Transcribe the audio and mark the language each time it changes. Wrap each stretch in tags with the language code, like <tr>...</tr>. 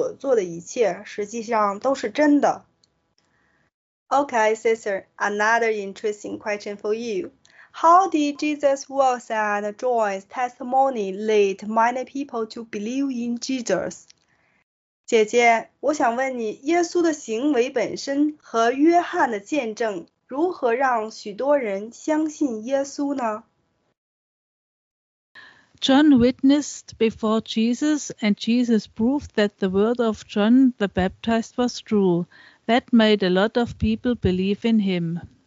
<zh>人们说，施洗者约翰所说的关于耶稣所做的一切实际上都是真的。</zh> <en>Okay, sister, another interesting question for you. How did Jesus' words and John's testimony lead many people to believe in Jesus?</en> <zh>姐姐，我想问你，耶稣的行为本身和约翰的见证如何让许多人相信耶稣呢？</zh> <en>John witnessed before Jesus, and Jesus proved that the word of John the Baptist was true. That made a lot of people believe in him.</en>